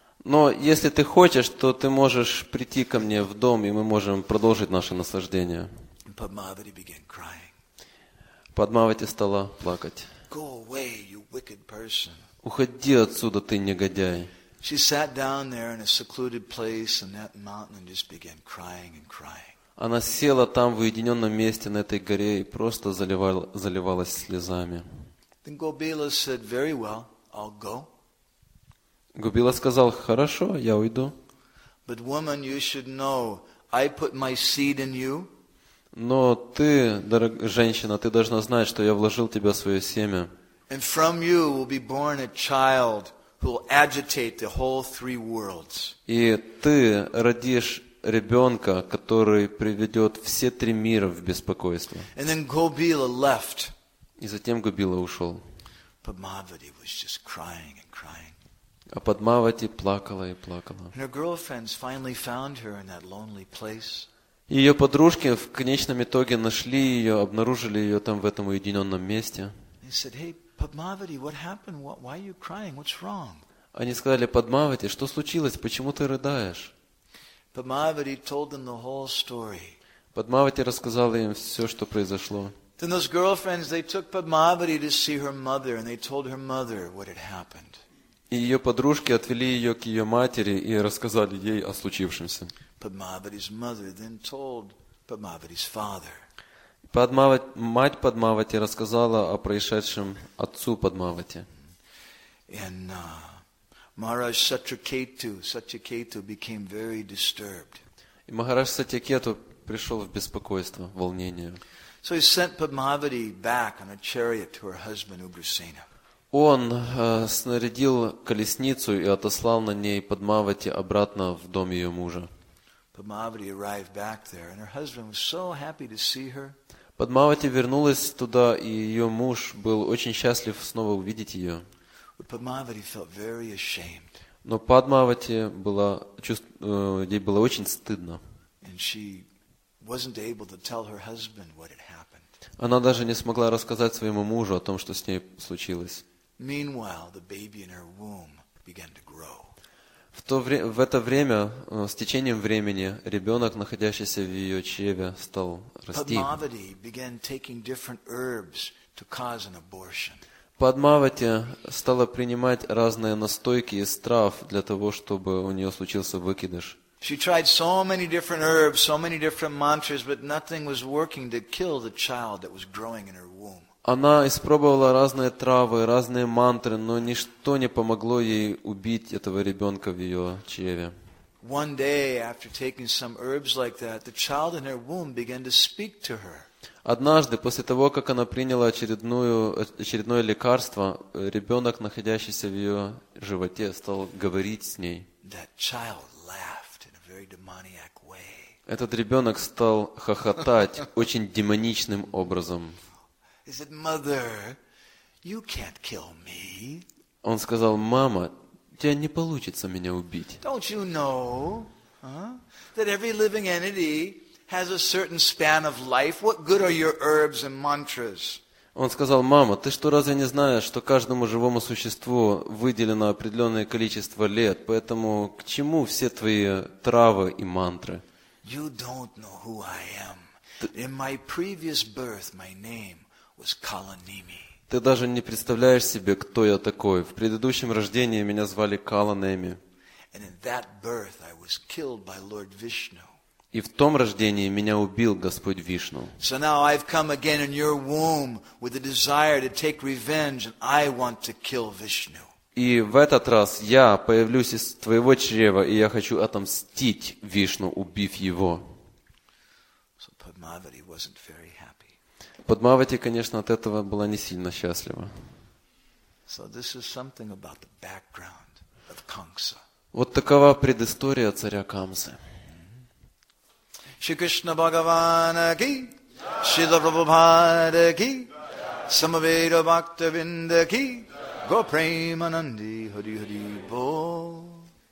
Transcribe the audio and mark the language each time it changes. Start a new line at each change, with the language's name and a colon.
Russian: Но если ты хочешь, то ты можешь прийти ко мне в дом, и мы можем продолжить наше наслаждение.
English: Padmavati began crying.
Russian: Padmavati стала плакать.
English: Go away, you wicked person.
Russian: Уходи отсюда, ты негодяй.
English: She sat down there in a secluded place on that mountain and just began crying and crying.
Russian: Она села там в уединенном месте на этой горе и просто заливалась слезами.
English: Then Gobila said, very well, I'll go.
Russian: Gobila сказал, хорошо, я уйду.
English: But woman, you should know, I put my seed in you.
Russian: Но ты, дорогая женщина, ты должна знать, что я вложил в тебя свое семя.
English: And from you will be born a child who will agitate the whole three worlds.
Russian: И ты родишь ребенка, который приведет все три мира в беспокойство.
English: And then Gobila left.
Russian: И затем Gobila ушел.
English: Padmavati was just crying and crying.
Russian: А Padmavati плакала и плакала.
English: And her girlfriends finally found her in that lonely place.
Russian: Ее подружки в конечном итоге нашли ее, обнаружили ее там в этом уединенном месте.
English: They said, "Hey, Padmavati, what happened? Why are you crying? What's wrong?"
Russian: Они сказали, Padmavati, что случилось? Почему ты рыдаешь?
English: Padmavati told them the whole story.
Russian: Padmavati рассказала им все, что произошло.
English: Then those girlfriends, they took Padmavati to see her mother, and they told her mother what had happened.
Russian: И ее подружки отвели ее к ее матери и рассказали ей о случившемся.
English: Padmavati's mother then told Padmavati's father.
Russian: Мать Padmavati рассказала о происшедшем отцу Padmavati.
English: And Maharaj Satyaketu, Satyaketu became very disturbed.
Russian: И Махарадж Сатьякету пришел в беспокойство, волнение.
English: So he sent Padmavati back on a chariot to her husband Ugrasena.
Russian: Он снарядил колесницу и отослал на ней Падмавати обратно в дом ее мужа.
English: Padmavati arrived back there, and her husband was so happy to see her.
Russian: Падмавати вернулась туда, и ее муж был очень счастлив снова увидеть ее.
English: But Padmavati felt very ashamed.
Russian: Но Падмавати была ей было очень стыдно.
English: And she wasn't able to tell her husband what had happened.
Russian: Она даже не смогла рассказать своему мужу о том, что с ней случилось.
English: Meanwhile, the baby in her womb began to grow.
Russian: В это время, с течением времени, ребенок, находящийся в ее чреве, стал расти.
English: Padmavati began taking different herbs to cause an abortion.
Russian: Падмавати стала принимать разные настойки из трав для того, чтобы у нее случился выкидыш.
English: She tried so many different herbs, so many different mantras, but nothing was working to kill the child that was growing in her womb.
Russian: Она испробовала разные травы, разные мантры, но ничто не помогло ей убить этого ребенка в ее чреве.
English: One day, after taking some herbs like that, the child in her womb began to speak to her.
Russian: Однажды, после того, как она приняла очередное лекарство, ребенок, находящийся в ее животе, стал говорить с ней.
English: That child laughed in a very demoniac way.
Russian: Этот ребенок стал хохотать очень демоничным образом.
English: He said, "Mother, you can't kill me."
Russian: Он сказал: "Мама, тебе не получится меня убить."
English: Don't you know, that every living entity has a certain span of life? What good are your herbs and mantras?
Russian: Он сказал: "Мама, ты что, разве не знаешь, что каждому живому существу выделено определенное количество лет? Поэтому к чему все твои травы и мантры?"
English: You don't know who I am. In my previous birth, my name was Kalanemi.
Russian: Ты даже не представляешь себе, кто я такой. В предыдущем рождении меня звали Каланеми.
English: And in that birth I was killed by Lord Vishnu.
Russian: И в том рождении меня убил Господь Вишну.
English: So now I've come again in your womb with a desire to take revenge, and I want to kill Vishnu.
Russian: И в этот раз я появлюсь из твоего чрева, и я хочу отомстить Вишну, убив его.
English: So Padmavati wasn't very happy.
Russian: Падмавати, конечно, от этого была не сильно счастлива.
English: So this is something about the background of Kamsa.
Russian: Вот такова предыстория царя Камсы.
Sanskrit: Shri Krishna Bhagavan ki, Shri Prabhupada ki, Samaveda Bhakta Vinda ki, Gopremanandi Hari Hari Bol.